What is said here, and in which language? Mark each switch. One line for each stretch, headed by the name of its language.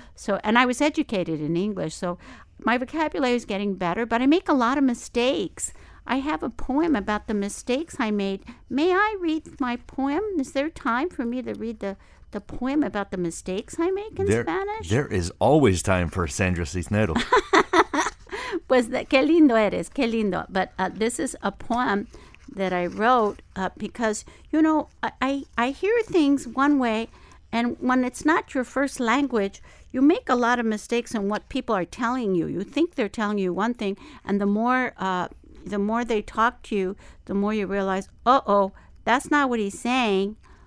English: So, and I was educated in English. So my vocabulary is getting better, but I make a lot of mistakes. I have a poem about the mistakes I made. May I read my poem? Is there time for me to read the poem about the mistakes I make in Spanish? There is always time for Sandra Cisneros.
Spanish: Pues, qué lindo eres, qué lindo.
English: But this is a poem that I wrote because, you know, I hear things one way, and when it's not your first language, you make a lot of mistakes in what people are telling you. You think they're telling you one thing, and the more they talk to you, the more you realize, uh-oh, that's not what he's saying.